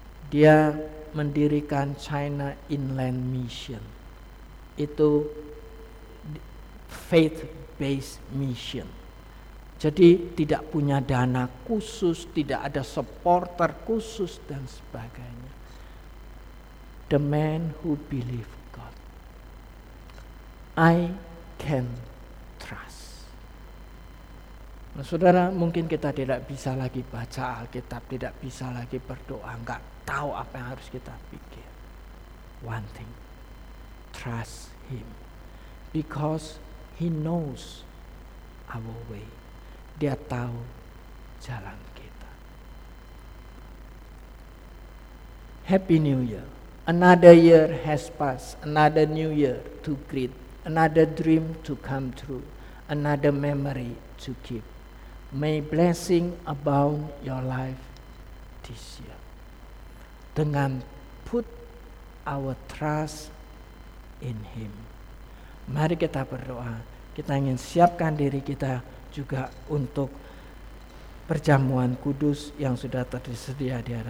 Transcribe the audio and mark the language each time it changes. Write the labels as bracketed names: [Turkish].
[Indonesian] Dia mendirikan China Inland Mission. Itu [English] faith-based mission. [Indonesian] Jadi tidak punya dana khusus, tidak ada supporter khusus dan sebagainya. [English] The man who believe God, I can trust. [Indonesian] Nah, saudara, mungkin kita tidak bisa lagi baca Alkitab, tidak bisa lagi berdoa, enggak tahu apa yang harus kita pikir. [English] One thing, trust him. Because he knows our way. [Indonesian] Dia tahu jalan kita. [English] Happy New Year. Another year has passed. Another new year to greet. Another dream to come true. Another memory to keep. May blessing abound your life this year. [Indonesian] Dengan [English] put our trust in him. [Indonesian] Mari kita berdoa. Kita ingin siapkan diri kita juga untuk perjamuan kudus yang sudah tersedia di hadapan.